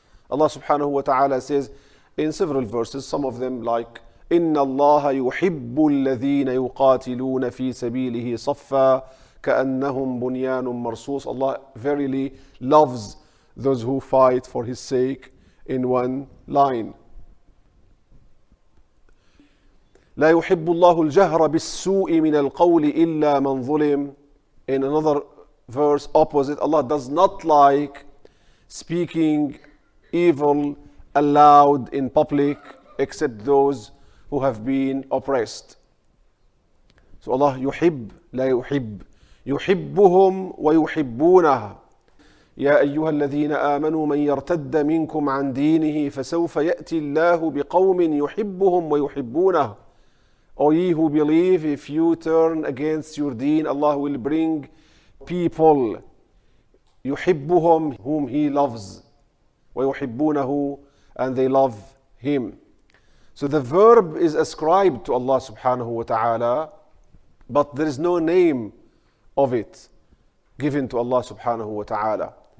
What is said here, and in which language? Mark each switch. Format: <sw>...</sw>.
<en>Allah subhanahu wa ta'ala says in several verses, some of them like,</en> <ar>إِنَّ اللَّهَ يُحِبُّ الَّذِينَ يُقَاتِلُونَ فِي سَبِيلِهِ صَفَّى كَأَنَّهُمْ بُنْيَانٌ مَرْسُوسٌ.</ar> <en>Allah verily loves those who fight for his sake, in one line.</en> <ar>لا يحب الله الجهر بالسوء من القول إلا من ظلم.</ar> <en>In another verse opposite, Allah does not like speaking evil aloud in public except those who have been oppressed. So Allah</en> <ar>يحب, لا يحب, يحبهم ويحبونها. يا أيها الذين آمنوا من يرتد منكم عن دينه فسوف يأتي الله بقوم يحبهم ويحبونه.</ar> <en>O ye who believe, if you turn against your deen, Allah will bring people,</en> <ar>يحبهم,</ar> <en>whom he loves,</en> <ar>ويحبونه,</ar> <en>and they love him. So the verb is ascribed to Allah subhanahu wa ta'ala, but there is no name of it given to Allah subhanahu wa ta'ala.</en>